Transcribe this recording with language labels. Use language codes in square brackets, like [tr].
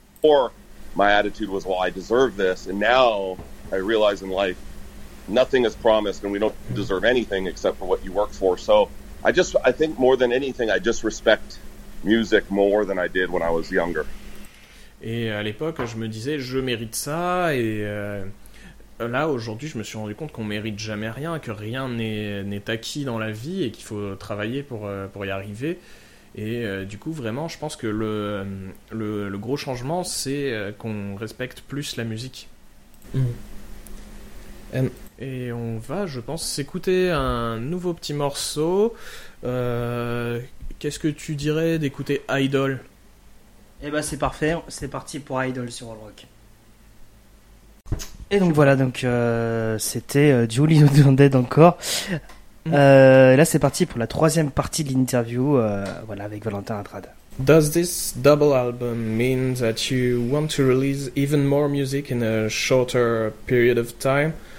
[en] Or my attitude was, well, I deserve this, and now I realize in life nothing is promised and we don't deserve anything except for what you work for. So I think more than anything I just respect music more than I did when I was younger. [fr] Et à l'époque, je me disais, je mérite ça, et là, aujourd'hui, je me suis rendu compte qu'on mérite jamais rien, que rien n'est acquis dans la vie, et qu'il faut travailler pour y arriver. Et du coup, vraiment, je pense que le gros changement, c'est qu'on respecte plus la musique. Et on va, je pense, s'écouter un nouveau petit morceau. Qu'est-ce que tu dirais d'écouter Idol ? Eh ben c'est parfait, c'est parti pour Idol sur All Rock. Et donc voilà, donc c'était Julie O'Donded encore. Là c'est parti pour la troisième partie de l'interview, voilà, avec Valentin Atrade. [en] Does this double album mean that you want to release even more music in a shorter period of time?